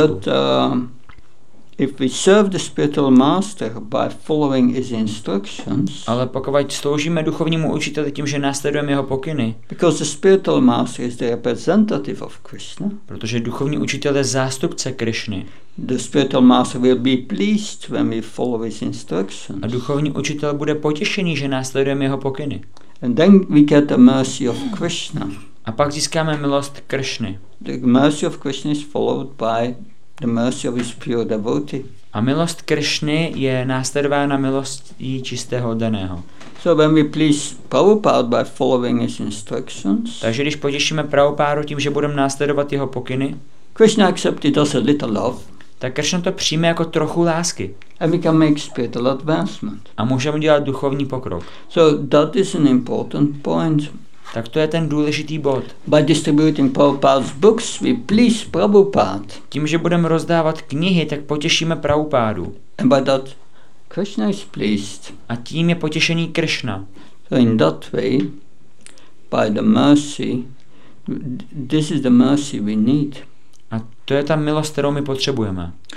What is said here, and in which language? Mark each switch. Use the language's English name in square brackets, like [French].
[English] But if we serve the spiritual master by following his instructions. [Czech] Ale pokud sloužíme duchovnímu učiteli tím, že následujeme jeho pokyny. [English] Because the spiritual master is the representative of Krishna. [Czech] Protože duchovní učitel je zástupce Krishny. [English] The spiritual master will be pleased when we follow his instructions. [Czech] A duchovní učitel bude potěšený, že následujeme jeho pokyny. [English] And then we get the mercy of Krishna. [Czech] A pak získáme milost Krishny. [English] The mercy of Krishna is followed by the mercy of his pure devotee. [Czech] A milost Krishny je následována milostí čistého daného. [English] So when we please Prabhupada by following his instructions. [Czech] Takže když potěšíme Prabhupádu tím, že budeme následovat jeho pokyny. [English] Krishna accepts it as a little love. [Czech] Tak Krishna to přijme jako trochu lásky. [English] And we can make spiritual advancement. [Czech] A můžeme dělat duchovní pokrok. [English] So that is an important point. [Czech] Tak to je ten důležitý bod. [English] By distributing Prabhupada's books, we please Prabhupada. [Czech] Tím, že budeme rozdávat knihy, tak potěšíme Prabhupádu. [English] And by that, Krishna is pleased. [Czech] A tím je potěšený Krishna. [English] So in that way, by the mercy, this is the mercy we need. [Czech] A to je ta milost, kterou my potřebujeme.